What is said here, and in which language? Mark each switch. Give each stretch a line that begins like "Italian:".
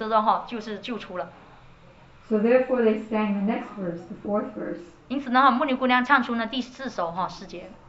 Chinese: 所以呢，在那心中的话，那木女姑娘好像看到了Krishna的脸，好像愁眉苦脸的那样子，所以呢，她试图想把她从那种苦情之中救出了。So
English: therefore they sang the next verse, the fourth verse.
Chinese: 因此呢，木女姑娘唱出了第四首，十节。